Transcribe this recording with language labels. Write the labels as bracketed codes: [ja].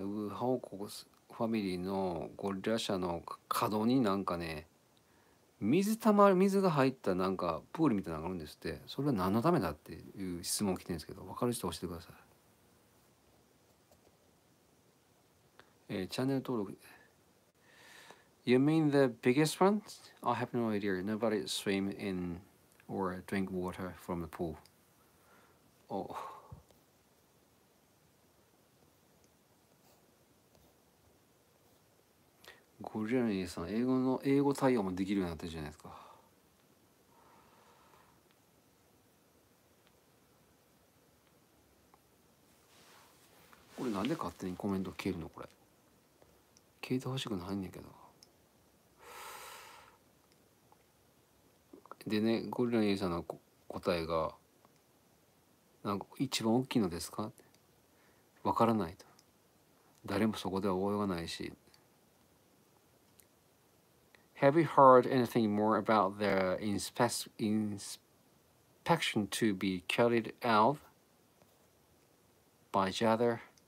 [ja] ハオコファミリーのゴリラ社の角になんかね、水が入ったなんかプールみたいなのがあるんですって。それは何のためだっていう質問来てるんですけど、分かる人教えてください。チャンネル登録。 [en] You mean the biggest one? I have no idea. Nobody swim in or drink water from the pool. Oh. [ja] ゴリラの家さん、英語対応もできるようになってるじゃないですか。これなんで勝手にコメント消えるの、これ消えてほしくないんだけど。でね、ゴリラの家さんの答えが、なんか一番大きいのですかって、わからないと、誰もそこでは泳がないし。 [en] Have you heard anything more about the inspection to be carried out by Jether?